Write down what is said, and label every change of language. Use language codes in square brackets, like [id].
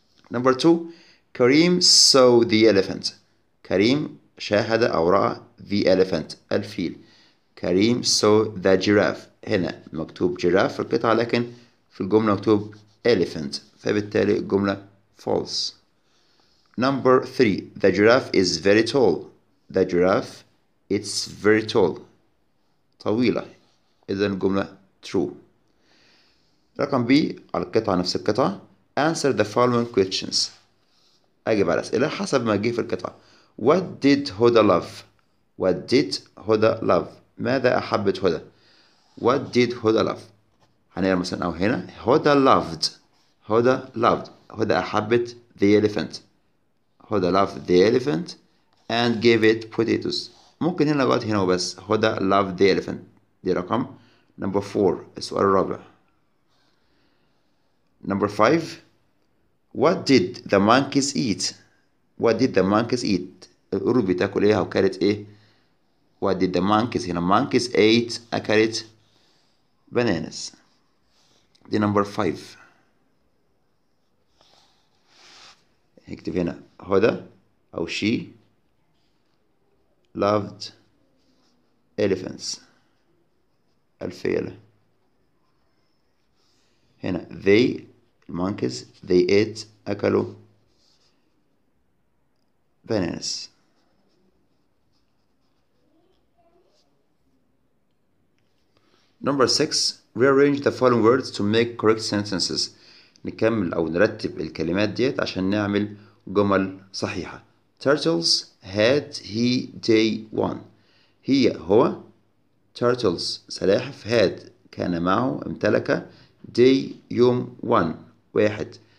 [en] Number two, Karim saw the elephant. [ar] Karim شاهد أو رأى the elephant, الفيل. [en] Karim saw the giraffe. [ar] هنا مكتوب جراف في القطعة لكن في الجملة مكتوب elephant, فبالتالي الجملة false. [en] Number 3, the giraffe is very tall. The giraffe, it's very tall, طويلة. [ar] إذن الجملة true. رقم B على القطعة, نفس القطعة. [en] Answer the following questions. [ar] أجب على أسئلة حسب ما جه في القطعة. [en] What did Hoda love? What did Hoda love? [ar] ماذا أحبت هدى؟ [en] What did Hoda love? [ar] هنقرأ مثلا أو هنا Hoda loved. [en] Hoda loved. Hoda أحبت the elephant. Hoda loved the elephant and give it potatoes. [ar] ممكن هنا لغاية هنا وبس. [en] هدى love the elephant. [ar] دي رقم number four. السؤال الرابع. [en] Number five. What did the monkeys eat? What did the monkeys eat? [ar] القرود بتاكل ايه او كانت ايه؟ [en] What did the monkeys, [ar] هنا monkeys ate, أكلت bananas. [en] دي number five. [ar] اكتب هنا هدى او she loved elephants, الفيلة. [en] هنا they monkeys they ate, أكلوا bananas. Number six, rearrange the following words to make correct sentences. [ar] نكمل أو نرتب الكلمات ديت عشان نعمل جمل صحيحة. [en] Turtles had he day one. [ar] هي هو turtles سلاحف had كان معه امتلك day يوم one واحد.